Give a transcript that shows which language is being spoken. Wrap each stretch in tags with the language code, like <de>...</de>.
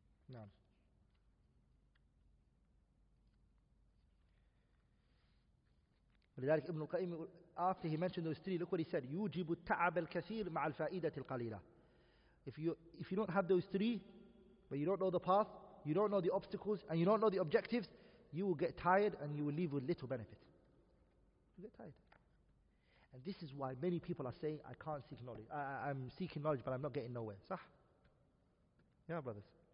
<en>Naam. لذلك Ibn al-Qayyim, after he mentioned those three, look what he said.</en> <ar>يوجب التعب الكثير مع الفائدة القليلة.</ar> <en>If you don't have those three, but you don't know the path, you don't know the obstacles, and you don't know the objectives, you will get tired and you will leave with little benefit. You get tired. And this is why many people are saying, I can't seek knowledge. I'm seeking knowledge, but I'm not getting nowhere. Sah? Yeah, brothers.</en>